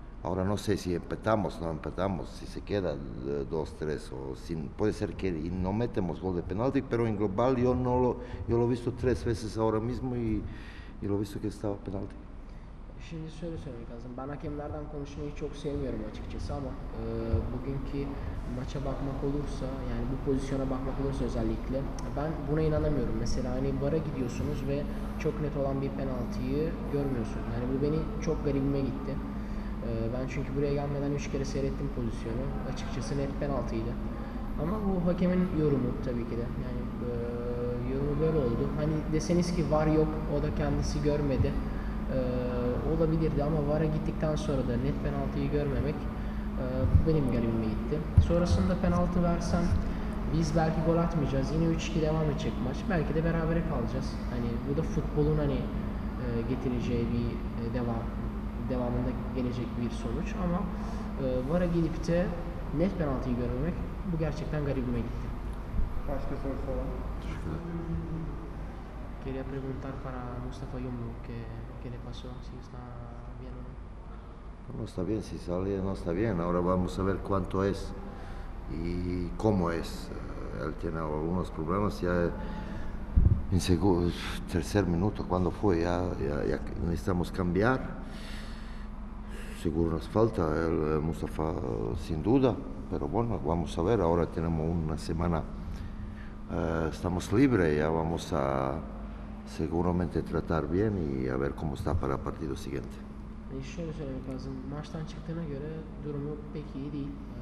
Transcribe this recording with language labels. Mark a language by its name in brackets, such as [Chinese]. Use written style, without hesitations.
[Spanish] Ahora no sé si empatamos o no empatamos, si se queda 2-3 o si puede ser que no metemos gol de penalti, pero en global yo lo he visto tres veces ahora mismo y lo he visto que estaba penalti. [Turkish] Şimdi şöyle söylemek lazım. Ben hakemlerden konuşmayı çok sevmiyorum açıkçası ama bugünkü maça bakmak olursa, yani bu pozisyona bakmak olursa özellikle, ben buna inanamıyorum. Mesela hani VAR'a gidiyorsunuz ve çok net olan bir penaltıyı görmüyorsunuz. Yani bu beni çok garibime gitti. Ben çünkü buraya gelmeden 3 kere seyrettim pozisyonu. Açıkçası net penaltıydı. Ama bu hakemin yorumu tabii ki de. Yani yorumu böyle oldu. Hani deseniz ki VAR yok, o da kendisi görmedi. Olabilirdi ama VAR'a gittikten sonra da net penaltıyı görmemek benim garibime gitti. Sonrasında penaltı versen biz belki gol atmayacağız. Yine 3-2 devam edecek maç. Belki de berabere kalacağız. Hani bu da futbolun hani getireceği bir devamında gelecek bir sonuç ama VAR'a gidip de net penaltıyı görmemek bu gerçekten garibime gitti. Başka soru falan? [Spanish] Quería preguntar para Mustafa Yumru qué le pasó, si está bien o no. No está bien, si sale no está bien. Ahora vamos a ver cuánto es y cómo es. Él tiene algunos problemas ya en tercer minuto, cuando fue, ya necesitamos cambiar. Seguro nos falta el Mustafa, sin duda, pero bueno, vamos a ver. Ahora tenemos una semana, estamos libres, ya vamos a seguramente tratar bien y a ver cómo está para el partido siguiente. [Turkish] Şöyle söylemek lazım, maçtan çıktığına göre durumu pek iyi değil.